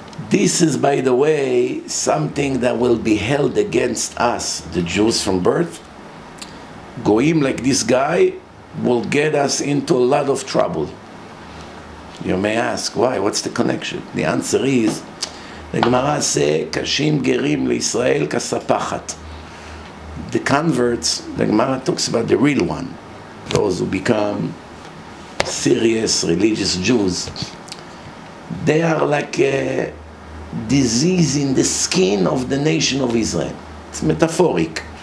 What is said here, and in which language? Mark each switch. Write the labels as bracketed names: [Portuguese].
[English] This is, by the way, something that will be held against us, the Jews from birth. Goyim like this guy will get us into a lot of trouble. You may ask, why? What's the connection? The answer is, [Hebrew] הגמרא עשה קשים גרים לישראל כספחת. [English] The converts, הגמרא talks about the real one, those who become serious religious Jews, they are like a disease in the skin of the nation of Israel. It's metaphoric.